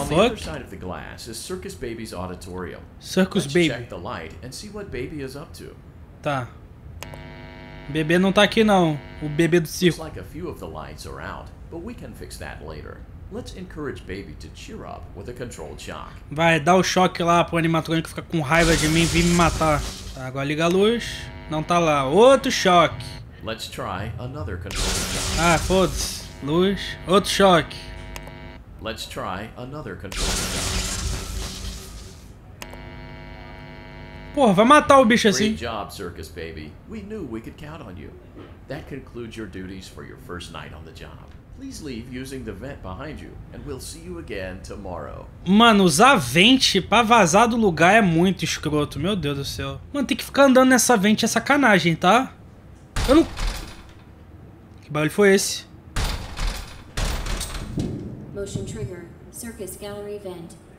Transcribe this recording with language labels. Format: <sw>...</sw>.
<en>On the other side of the glass is Circus Baby's auditorium. Circus Let's Baby. Check the light and see what baby is up to.</en> <pt>Tá. O bebê não tá aqui, não. O bebê do circo.</pt> <en>Looks like a few of the lights are out, but we can fix that later. Let's encourage baby to cheer up with a controlled shock.</en> <pt>Vai, dá o choque lá pro animatrônico ficar com raiva de mim e vir me matar. Tá, agora liga a luz. Não tá lá. Outro choque.</pt> <en>Let's try another controlled shock.</en> <pt>Ah, foda-se. Luz. Outro choque.</pt> <en>Let's try another controlled shock.</en> <pt>Porra, vai matar o bicho assim.</pt> <en>Great job, Circus Baby. We knew we could count on you. That concludes your duties for your first night on the job. Please leave using the vent behind you, and we'll see you again tomorrow.</en> <pt>Mano, usar vente pra vazar do lugar é muito escroto, meu Deus do céu. Mano, tem que ficar andando nessa vente, é sacanagem, tá? Eu não... Que barulho foi esse?</pt> <en>Motion trigger. Circus gallery vent.</en>